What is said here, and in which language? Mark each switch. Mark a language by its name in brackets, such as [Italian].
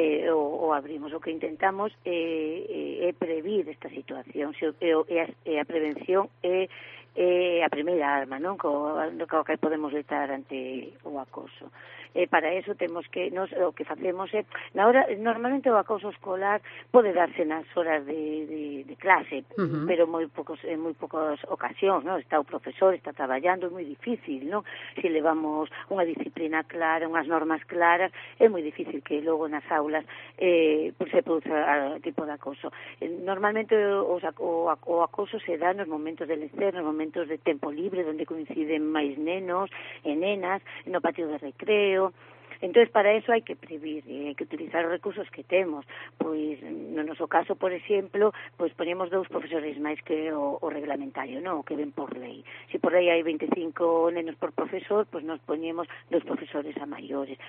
[Galician] O abrimos. O que intentamos é prevenir esta situación. A prevención é a primeira arma, non? Co que podemos letar ante o acoso. Para eso temos que nos, o que facemos é na hora, normalmente o acoso escolar pode darse nas horas de clase, uh-huh. pero en moi poucas ocasións, non? Está o profesor, está traballando, é moi difícil, non? Si levamos unha disciplina clara, unhas normas claras, é moi difícil que logo nas aulas se produza algún tipo de acoso. Normalmente o acoso se dá nos momentos de lecer, nos momentos de tempo libre, onde coinciden máis nenos e nenas, no patio de recreo. [Spanish] Entonces para eso hay que prevenir, hay que utilizar los recursos que tenemos. Pues en nuestro caso, por ejemplo, pues ponemos dos profesores más que o reglamentario, ¿no? [Galician] O que ven [Spanish] por ley. Si por ley hay 25 nenos por profesor, pues nos ponemos dos profesores a mayores.